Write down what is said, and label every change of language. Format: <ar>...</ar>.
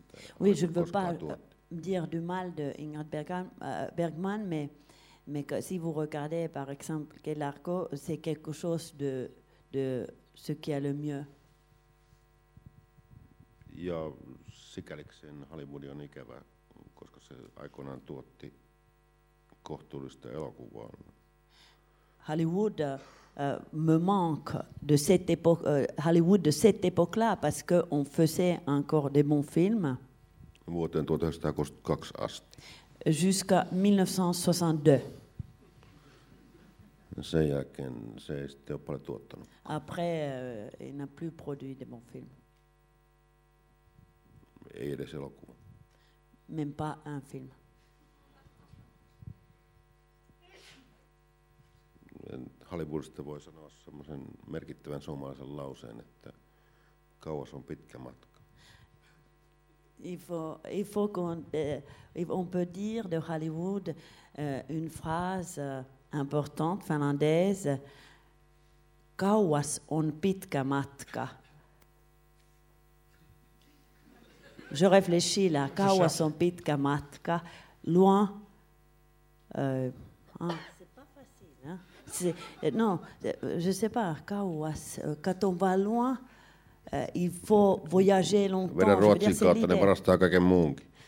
<fi>on koskaan tuottu.</fi> <fr>Oui, je veux pas dire du mal de Ingrid Bergman, mais que, si vous regardez par exemple Key Largo, c'est quelque chose de ce qui a le mieux.</fr> <fi>Ja sikälikseen Hollywood on ikävä, koska se aikoinaan tuotti kohtuullista elokuvaa.</fi> <fr>Hollywood me manque de cette époque, Hollywood de cette époque là parce que on faisait encore des bons films.</fr> <fi>Vuoteen 1962 asti.</fi> <fr>Jusqu'à 1962.</fr> <fi>Sen jälkeen se ei sitten ole paljon tuottanut.</fi> <fr>Après il n'a plus produit de bons films.</fr> <fi>Ei edes elokuva.</fi> <fr>Même pas un film.</fr> <fi>Hollywoodista voi sanoa semmoisen merkittävän suomalaisen lauseen, että kauas on pitkä matka.</fi> <fr>Il faut qu'on on peut dire de Hollywood une phrase importante finlandaise.</fr> <fi>Kauas on pitkä matka.</fi> <fr>Je réfléchis là,</fr> <fi>kauas on pitkä matka,</fi> <fr>loin. C'est pas facile, hein. Non, je sais pas, kauas, quand on va loin, il faut voyager longtemps.</fr> <fi>Vedän Ruotsin kautta, ne varastaa kaiken muunkin.</fi>